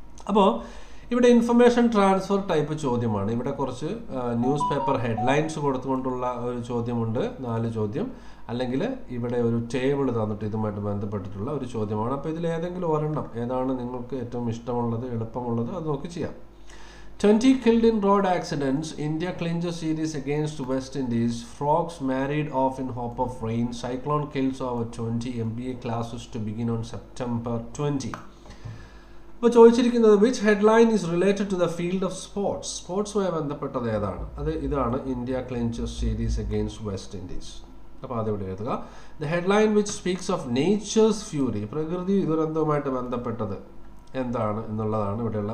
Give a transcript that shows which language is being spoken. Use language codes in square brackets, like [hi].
[ml] അപ്പോൾ ഇവിടെ information transfer type ചോദ്യമാണ്. ഇവിടെ കുറച്ച് ന്യൂസ് പേപ്പർ ഹെഡ്ലൈൻസ് കൊടുത്തുകൊണ്ടുള്ള ഒരു ചോദ്യമുണ്ട്, നാല് ചോദ്യം. അല്ലെങ്കിൽ ഇവിടെ ഒരു ടേബിൾ തന്നിട്ട് ഇതുമായിട്ട് ബന്ധപ്പെട്ടിട്ടുള്ള ഒരു ചോദ്യമാണ്. അപ്പോൾ ഇതിൽ ഏതെങ്കിലും ഒരെണ്ണം ഏതാണ് നിങ്ങൾക്ക് ഏറ്റവും ഇഷ്ടമുള്ളത്, എളുപ്പമുള്ളത്, അത് നോക്കി ചെയ്യാം. [en] 20 killed in road accidents, India clinches series against West Indies, frogs married off in hope of rain, cyclone kills over 20, MBA classes to begin on September 20. [ml] അപ്പോൾ ചോദിച്ചിരിക്കുന്നത് [en] which headline is related to the field of sports, [ml] സ്പോർട്സുമായി ബന്ധപ്പെട്ടത് ഏതാണ്. അത് ഇതാണ്, [en] India clinches series against West Indies. [ml] അപ്പോൾ അതിവിടെ എഴുതുക. [en] the headline which speaks of nature's fury, [ml] പ്രകൃതി ദുരന്തവുമായിട്ട് ബന്ധപ്പെട്ടത് എന്താണ് എന്നുള്ളതാണ് ഇവിടെയുള്ള.